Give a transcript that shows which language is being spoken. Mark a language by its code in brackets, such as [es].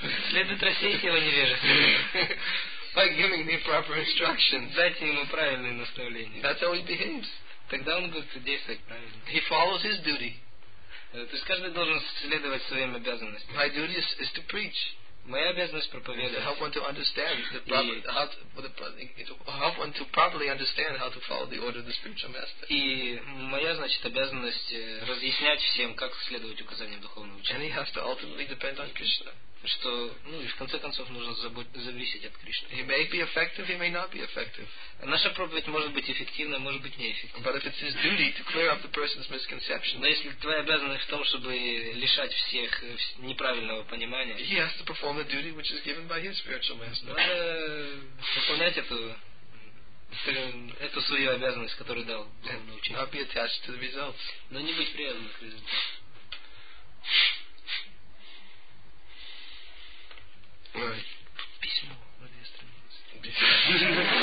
[ru] Следует рассеять его невежество. [en] By giving the proper instructions. [ru] Дайте ему правильные наставления. [en] That's how he behaves. [ru] Тогда он будет действовать правильно. [en] He follows his duty. [ru] То есть каждый должен следовать своим обязанностям. [en] My duty is to preach. [ru] Моя обязанность проповедовать. [en] Help one to understand help one to properly understand how to follow the order of the spiritual master. [ru] И моя, значит, обязанность разъяснять всем, как следовать указаниям духовного учителя. [en] And he has to ultimately depend on Krishna. [ru] Что, ну и в конце концов нужно зависеть от Кришны. [en] He may be effective, he may not be effective. [ru] Наша проповедь может быть эффективна, может быть неэффективна. [en] But if it's his duty to clear up the person's misconception. [ru] Но если твоя обязанность в том, чтобы лишать всех неправильного понимания. [en] He has to perform the duty which is given by his spiritual master. [ru] Надо выполнять эту свою обязанность, которую дал духовный учитель. [en] Not be attached to the results. [ru] Но не быть привязанным к результату. Письмо на две страницы.